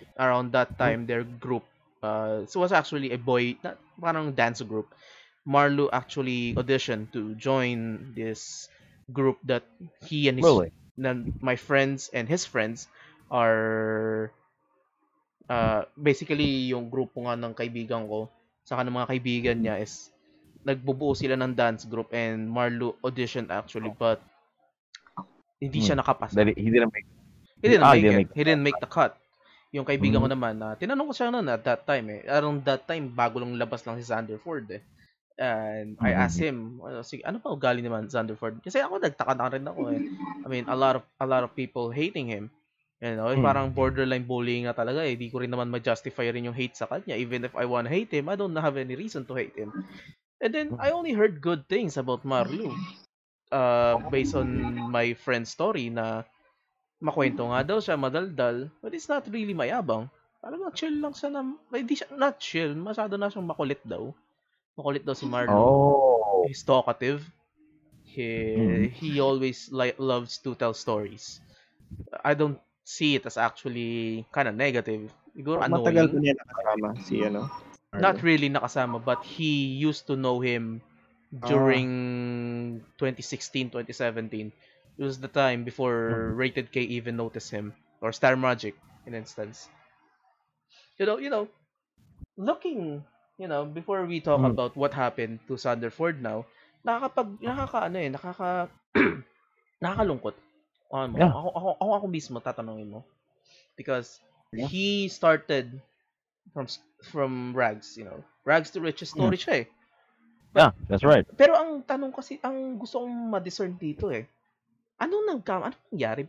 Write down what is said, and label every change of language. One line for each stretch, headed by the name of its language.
English: Around that time, their group was actually a boy, not parang dance group. Marlou actually auditioned to join this group that he and his my friends and his friends are basically
Filipino: yung grupo nga ng kaibigan ko. Saka ng mga kaibigan niya is nagbubuo sila ng dance group
English: and Marlou auditioned actually but
Filipino: hindi siya nakapasa.
English: He didn't make the cut.
Filipino: Yung kaibigan ko naman, tinanong ko siya noon
English: at that time
Filipino: eh.
English: Around that time,
Filipino: bago lang labas lang si Xander Ford eh.
English: And I asked him,
Filipino: ano pa ugali naman
English: Xander Ford?
Filipino: Kasi ako nagtaka na rin ako eh.
English: I mean, a lot of people hating him.
Filipino: You know, parang borderline bullying na talaga eh. Di ko rin naman ma-justify rin yung hate sa kanya.
English: Even if I wanna hate him, I don't have any reason to hate him. And then, I only heard good things about Marlou. Based on my friend's story
Filipino: na makwento nga daw siya, madaldal.
English: But it's not really mayabang.
Filipino: Parang chill lang siya masyado na siyang makulit daw. Makulit daw si Marlou. Oh.
English: He's talkative. He always loves to tell stories. I don't see it as actually kind of negative.
Filipino: Matagal niya nakasama si Marlou.
English: Not really nakasama, but he used to know him during 2016-2017. It was the time before Rated K even noticed him, or Star Magic, in instance. You know, looking, you know, before we talk about what happened to Xander Ford now, nakakalungkot.
Filipino: Ako mismo, tatanungin mo.
English: Because he started from rags, you know. Rags to riches story siya eh. But, yeah, that's right.
Filipino: Pero ang tanong kasi, ang gusto kong ma-discern dito eh, anong nangyari?